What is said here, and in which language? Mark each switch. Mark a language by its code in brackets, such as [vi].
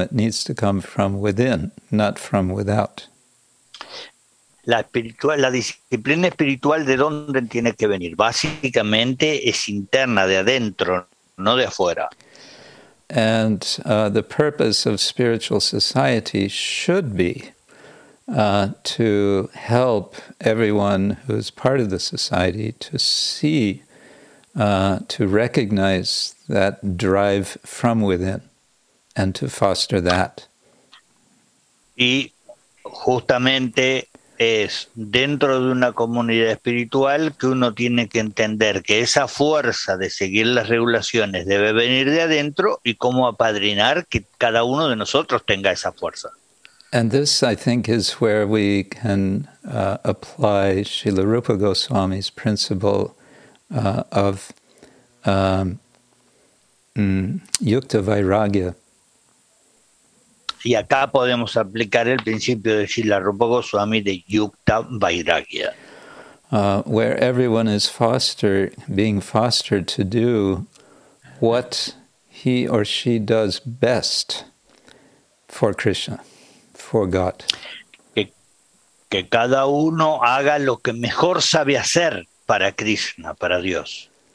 [en] It needs to come from within, not from without. [es] La disciplina espiritual, ¿de dónde tiene que venir? Básicamente es interna, de adentro, no de afuera. [en] And the purpose of spiritual society should be to help everyone who is part of the society to see, to recognize that drive from within and to foster that. [es] Y justamente es dentro de una comunidad espiritual que uno tiene que entender que esa fuerza de seguir las regulaciones debe venir de adentro y cómo apadrinar que cada uno de nosotros tenga esa fuerza. [en] And this, I think, is where we can apply Srila Rupa Goswami's principle of yukta vairagya. [es] Y acá podemos aplicar el principio de Srila Rupa Goswami de yukta vairagya. [en] Where everyone is being fostered to do what he or she does best for Krishna, for God. [es] Que cada uno haga lo que mejor sabe hacer para Krishna, para Dios.